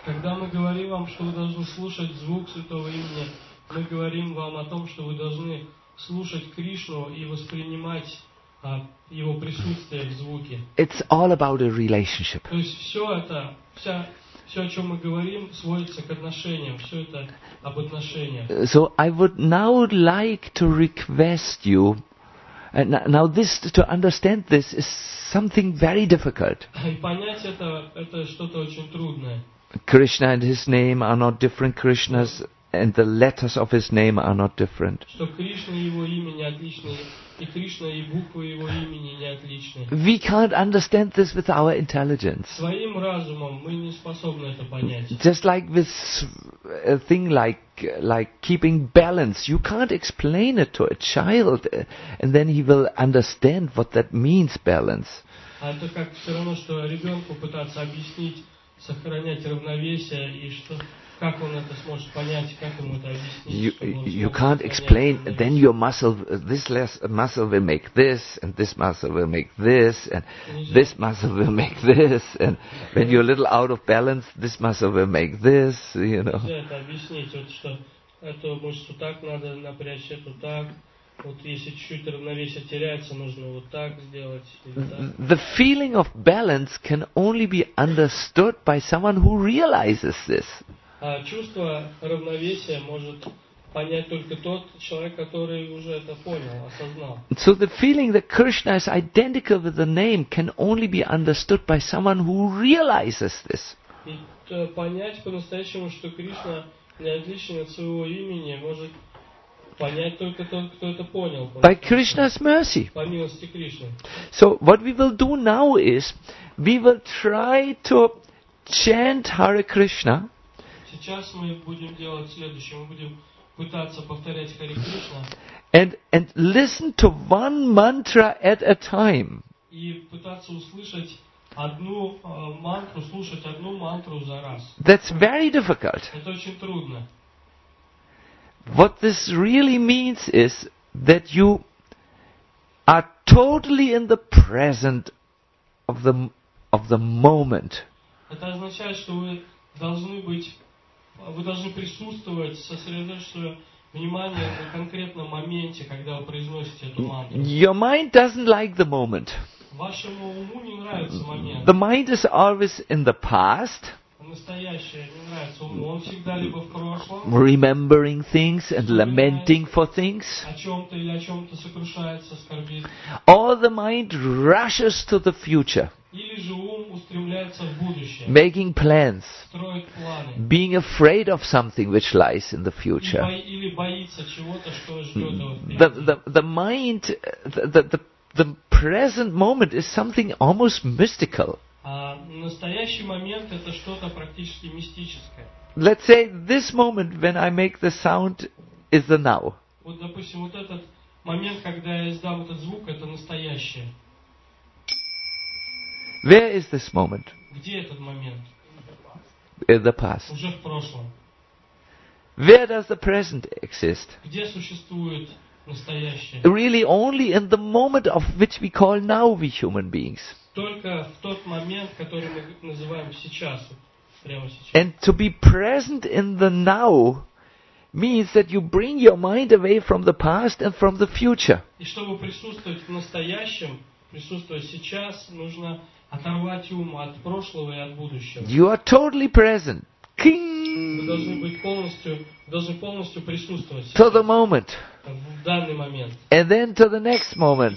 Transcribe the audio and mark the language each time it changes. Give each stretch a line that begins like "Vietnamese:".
Russian: Когда мы говорим вам, что вы должны слушать звук святого имени, мы говорим вам о том, что вы должны слушать Кришну и воспринимать его присутствие в звуке.
English: It's all about a relationship.
Russian: То есть все это, все, о чем мы говорим, сводится к отношениям. Все это об отношениях.
English: So I would now like to request you. And now this, to understand this, is something very difficult.
Russian: Понять это что-то очень трудное.
English: Krishna and his name are not different. Krishna's and the letters of his name are not different.
Russian: Что Кришна и его имя не отличны, и Кришна и буквы его имени не отличны.
English: We can't understand this with our intelligence.
Russian: Своим разумом мы не способны это понять.
English: Just like this thing like keeping balance, you can't explain it to a child, and then he will understand what that means, balance.
Russian: А это как все равно, что ребенку пытаться объяснить сохранять равновесие и что. Как он это сможет понять, как ему это объяснить?
English: You can't explain, then your muscle, this less muscle will make this, and this muscle will make this, and this muscle will make this, and when you're a little out of balance, this muscle will make this, you know.
Russian: Нельзя это объяснить, вот что, эту мышцу так надо напрячь, эту так, вот если чуть-чуть равновесие теряется, нужно вот так сделать, или так.
English: The feeling of balance can only be understood by someone who realizes this.
Russian: Чувство равновесия может понять только тот человек, который уже это понял, осознал.
English: So the feeling that Krishna is identical with the name can only be understood by someone who realizes this.
Russian: И понять по-настоящему, что Кришна не отличен от своего имени, может понять только тот, кто это понял.
English: By Krishna's mercy.
Russian: По милости Кришны.
English: So what we will do now is we will try to chant Hare Krishna.
Russian: Сейчас мы будем делать следующее. Мы будем пытаться повторять Хари Кришна.
English: And listen to one mantra at a time.
Russian: И пытаться услышать одну мантру, слушать одну мантру за раз.
English: That's very difficult.
Russian: Это очень трудно.
English: What this really means is that you are totally in the present of the moment.
Russian: Это означает, что вы должны быть. Вы должны присутствовать, сосредоточиться внимание на конкретном моменте, когда вы произносите эту мантру.
English: Your mind doesn't like the moment.
Russian: Вашему уму не нравится момент.
English: The mind is always in the past.
Russian: Настоящее не нравится уму. Он всегда либо в прошлом.
English: Remembering things and lamenting for things.
Russian: О чем-то или о чем-то сокрушается, скорбит.
English: Or the mind rushes to the future.
Russian: Или же ум устремляется в будущее.
English: Making plans.
Russian: Строит планы.
English: Being afraid of something which lies in the future.
Russian: Или боится чего-то, что ждет его впереди.
English: The mind, the present moment is something almost mystical.
Russian: Настоящий момент это что-то практически мистическое.
English: Let's say this moment when I make the sound is the now.
Russian: Вот допустим вот этот момент, когда я издам этот звук, это настоящее.
English: Where is this moment?
Russian: Где этот момент?
English: In the past.
Russian: Уже в прошлом.
English: Where does the present exist?
Russian: Где существует настоящее?
English: Really only in the moment of which we call now we human beings.
Russian: Только в тот момент, который мы называем сейчас, прямо сейчас.
English: And to be present in the now means that you bring your mind away from the past and from the future.
Russian: И чтобы присутствовать в настоящем, присутствовать сейчас, нужно оторвать ум от прошлого и от будущего.
English: You are totally present. King.
Russian: Вы должны полностью присутствовать.
English: To the moment.
Russian: В данный момент.
English: And then to the next moment.